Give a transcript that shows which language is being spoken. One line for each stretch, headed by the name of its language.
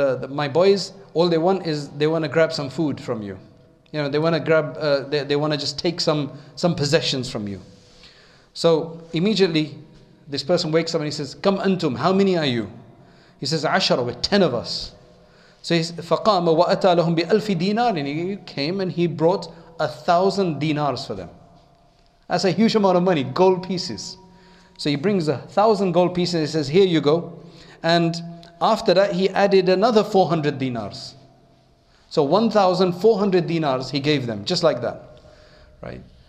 English: My boys, all they want is they want to grab some food from you. You know, they want to grab. They want to just take some possessions from you. So immediately, this person wakes up and he says,
Arabic: "Kam antum?
English: How many are you?" He says,
Arabic: "عشرة."
English: With 10 of us. So he
Arabic: فقام وأتى لهم بألف دينار.
English: And he came and he brought 1,000 dinars for them. That's a huge amount of money, gold pieces. So he brings 1,000 gold pieces and he says, here you go. And after that, he added another 400 dinars. So 1,400 dinars he gave them, just like that. Right?